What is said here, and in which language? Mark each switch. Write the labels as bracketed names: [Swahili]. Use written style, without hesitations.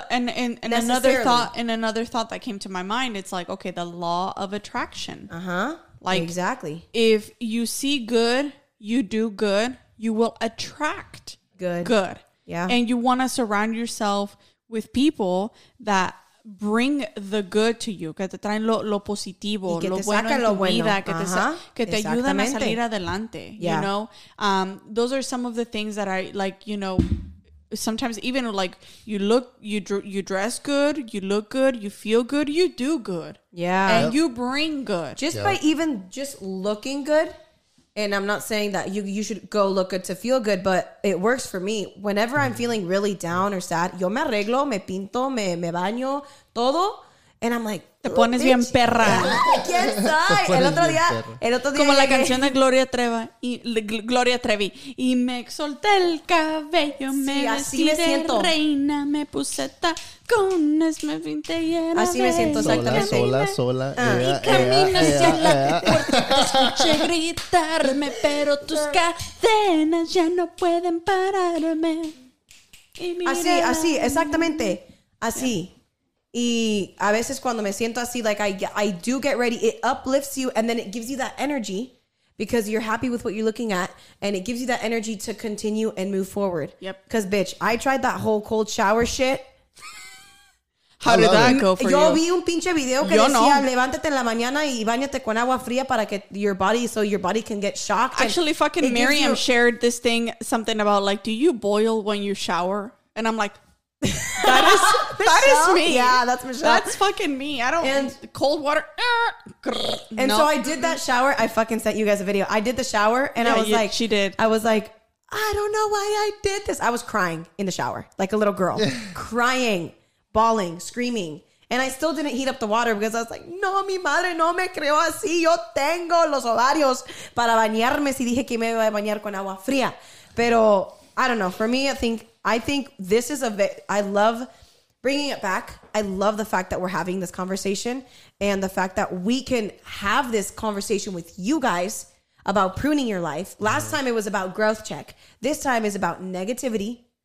[English] And another thought that came to my mind, it's like, okay, the law of attraction. Uh-huh. Like, exactly. If you see good, you do good, you will attract good. Yeah. And you want to surround yourself with people that bring the good to you. [Spanish] Que te traen lo positivo, lo bueno en tu vida. Que te ayudan a salir adelante. [English] Yeah. You know? Those are some of the things that I, like, you know, sometimes even, like, you dress good, you look good, you feel good, you do good. Yeah. And you bring good. Just by even just looking good, and I'm not saying that you should go look good to feel good, but it works for me. Whenever I'm feeling really down or sad, [Spanish] yo me arreglo, me pinto, me baño, todo. [English] And I'm like, [Spanish] te pones bitch. Bien perra. ¿Quién soy? El otro día. Como la canción de Gloria Trevi. Y me solté el cabello, sí, me vestí de siento. Reina, me puse tacones, me pinté y era así me siento, exactamente. Sola. Escuché gritarme, pero tus cadenas ya no pueden pararme. Así, exactamente. Así. Yeah. Y a veces cuando me siento así, [English] like I do get ready, it uplifts you and then it gives you that energy because you're happy with what you're looking at and it gives you that energy to continue and move forward. Yep. Because, bitch, I tried that whole cold shower shit. How did that go for you? [Spanish] Yo vi un pinche video que decía, levántate en la mañana y báñate con agua fría para que [English] your body can get shocked. Actually, fucking Miriam shared this thing, something about, like, do you boil when you shower? And I'm like... that is me. Yeah, that's Michelle. That's fucking me. I don't cold water. And nope. So I did that shower. I fucking sent you guys a video. I did the shower and she did. I was like, I don't know why I did this. I was crying in the shower, like a little girl. Crying, bawling, screaming. And I still didn't heat up the water because I was like, [Spanish] no, mi madre no me creo así. Yo tengo los ovarios para bañarme si dije que me iba a bañar con agua fría. [English] Pero I don't know. For me, I think this is a bit, I love bringing it back. I love the fact that we're having this conversation and the fact that we can have this conversation with you guys about pruning your life. Last time it was about growth check. This time is about negativity.